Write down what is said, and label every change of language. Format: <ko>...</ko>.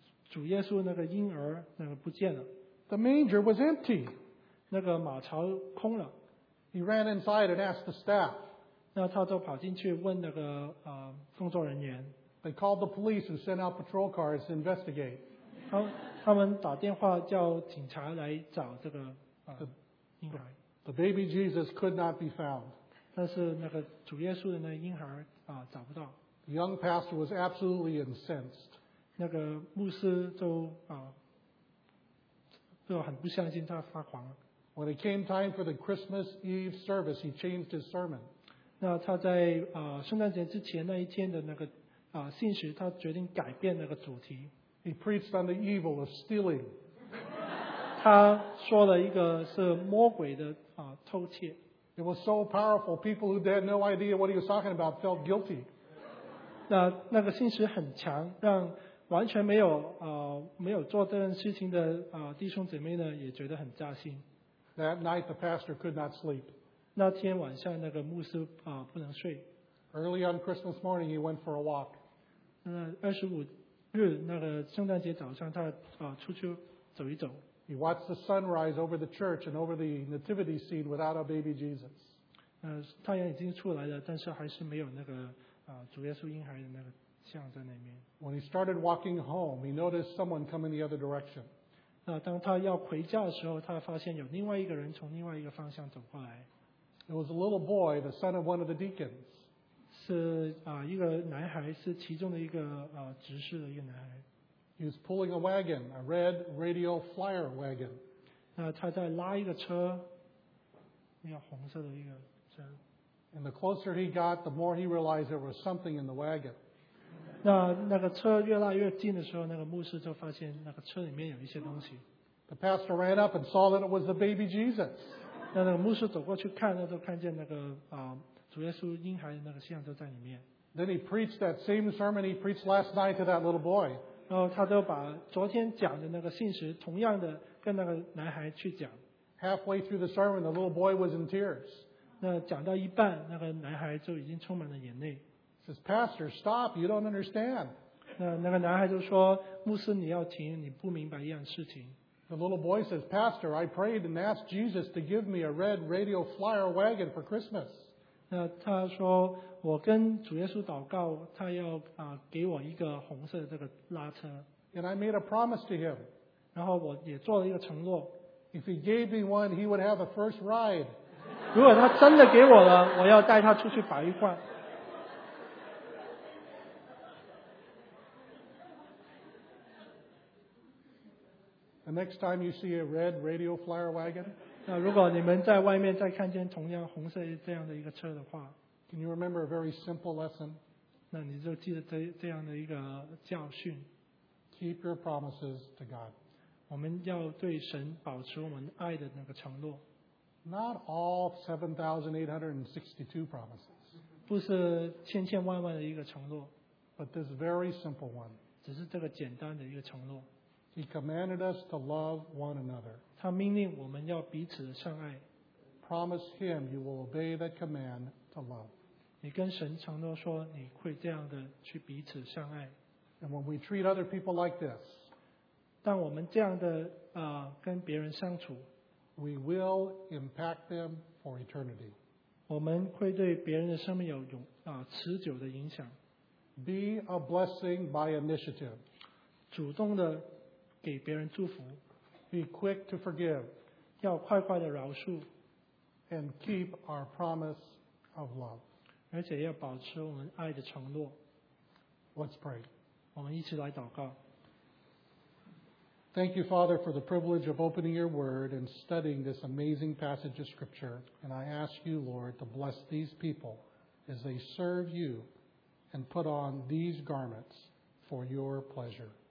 <zh>主耶稣那个婴儿那个不见了。</zh> <en>The manger was empty.</en> <zh>那个马槽空了。</zh> <en>He ran inside and asked the staff.</en> <zh>那他就跑进去问那个工作人员。</zh> <en>They called the police and sent out patrol cars to investigate.</en> <zh>他们打电话叫警察来找这个婴孩。</zh> <en>The baby Jesus could not be found.</en> <zh>但是那个主耶稣的那个婴孩找不到。</zh> <en>The young pastor was absolutely incensed.</en> <zh>那个牧师就很不相信他发狂了。</zh> <en>When it came time for the Christmas Eve service, he changed his sermon.</en> <zh>那他在圣诞节之前那一天的那个信息他决定改变那个主题。</zh> <en>He preached on the evil of stealing.</en> <zh>他说了一个是魔鬼的偷窃。</zh> <en>It was so powerful, people who had no idea what he was talking about felt guilty.</en> <zh>那个信息很强让完全没有没有做这件事情的弟兄姐妹呢也觉得很扎心。</zh> <en>That night the pastor could not sleep.</en> <zh>那天晚上那个牧师不能睡。</zh> <en>Early on Christmas morning he went for a walk.</en> <zh>25日那个圣诞节早上他出去走一走。</zh> <en>He watched the sunrise over the church and over the nativity scene without a baby Jesus.</en> <zh>太阳已经出来了但是还是没有那个主耶稣婴孩的那个。</zh> <en>When he started walking home, he noticed someone coming the other direction.</en> <zh>当他要回家的时候，他发现有另外一个人从另外一个方向走过来。</zh> <en>It was a little boy, the son of one of the deacons.</en> <zh>是一个男孩，是其中的一个执事的一个男孩。</zh> <en>He was pulling a wagon, a red radio flyer wagon.</en> <zh>他在拉一个车，那个红色的一个车。</zh> <en>And the closer he got, the more he realized there was something in the wagon.</en> <zh>那个车越拉越近的时候，那个牧师就发现那个车里面有一些东西。</zh> <en>The pastor ran up and saw that it was the baby Jesus.</en> <zh>那个牧师走过去看，那都看见那个主耶稣婴孩的那个像就在里面。</zh> <en>Then he preached that same sermon he preached last night to that little boy.</en> <zh>然后他就把昨天讲的那个信息，同样的跟那个男孩去讲。</zh> <en>Halfway through the sermon, the little boy was in tears.</en> <zh>那讲到一半，那个男孩就已经充满了眼泪。</zh> <en>He says, Pastor, stop, you don't understand.</en> <zh>那个男孩就说，牧师你要停，你不明白一样事情。</zh> <en>The little boy says, Pastor, I prayed and asked Jesus to give me a red radio flyer wagon for Christmas.</en> <zh>那他说，我跟主耶稣祷告，他要给我一个红色的这个拉车。</zh> <en>And I made a promise to him.</en> <zh>然后我也做了一个承诺。</zh> <en>If he gave me one, he would have a first ride.</en> <zh>如果他真的给我了，我要带他出去跑一逛。</zh> <en>The next time you see a red radio flyer wagon,</en> <zh>那如果你们在外面再看见同样红色这样的一个车的话</zh> <en>，Can you remember a very simple lesson?</en> <zh>那你就记得这样的一个教训。</zh> <en>Keep your promises to God.</en> <zh>我们要对神保持我们爱的那个承诺。</zh> <en>Not all 7,862 promises.</en> <zh>不是千千万万的一个承诺。</zh> <en>But this very simple one.</en> <zh>只是这个简单的一个承诺。</zh> <en>He commanded us to love one another.</en> <zh>他命令我们要彼此相爱。</zh> <en>Promise him you will obey that command to love.</en> <zh>你跟神承诺说你会这样的去彼此相爱。</zh> <en>And when we treat other people like this,</en> <zh>当我们这样的跟别人相处，</zh> <en>we will impact them for eternity.</en> <zh>我们会对别人的生命有持久的影响。</zh> <en>Be a blessing by initiative.</en> <zh>主动的给别人祝福。</zh> <en>Be quick to forgive.</en> <zh>要快快的饶恕。</zh> <en>And keep our promise of love.</en> <zh>而且要保持我们爱的承诺。</zh> <en>Let's pray.</en> <zh>我们一起来祷告。</zh> <en>Thank you, Father, for the privilege of opening your word and studying this amazing passage of scripture. And I ask you, Lord, to bless these people as they serve you and put on these garments for your pleasure.</en>